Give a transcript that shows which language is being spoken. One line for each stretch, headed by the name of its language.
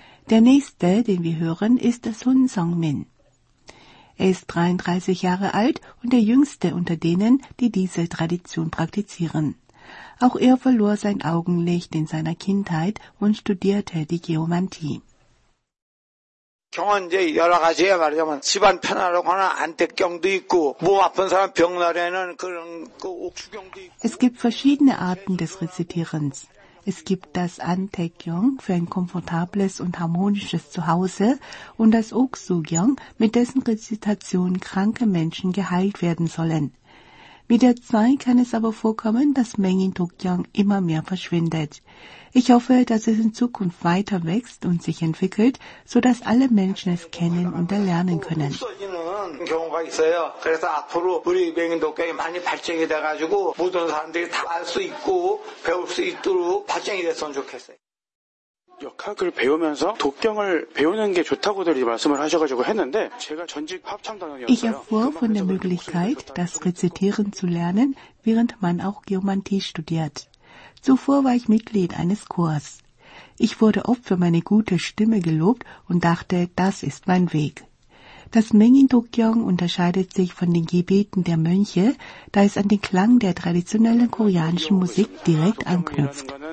German: Der nächste, den wir hören, ist Son Song-min. Er ist 33 Jahre alt und der jüngste unter denen, die diese Tradition praktizieren. Auch er verlor sein Augenlicht in seiner Kindheit und studierte die Geomantie.
Korean: 경은 이제 여러 가지에 말하자면 집안 편하라고 하는 안대경도 있고 몸 아픈 사람 병나래는 그런 그 옥수경도 있고.
German: Es gibt verschiedene Arten des Rezitierens. Es gibt das Antaekyong für ein komfortables und harmonisches Zuhause und das Oksugyong, mit dessen Rezitation kranke Menschen geheilt werden sollen. Mit der Zeit kann es aber vorkommen, dass Mengin Dokgyeong immer mehr verschwindet. Ich hoffe, dass es in Zukunft weiter wächst und sich entwickelt, so dass alle Menschen es kennen und erlernen können. Musik
Korean: 역학을 배우면서 독경을 배우는 게 좋다고들 말씀을 하셔가지고 했는데 제가 전직 합창단원이었어요.
German: Ich erfuhr von der Möglichkeit, das Rezitieren zu lernen, während man auch Geomantie studiert. Zuvor war ich Mitglied eines Chors. Ich wurde oft für meine gute Stimme gelobt und dachte, das ist mein Weg. Das Mengindokyong unterscheidet sich von den Gebeten der Mönche, da es an den Klang der traditionellen koreanischen Musik direkt anknüpft.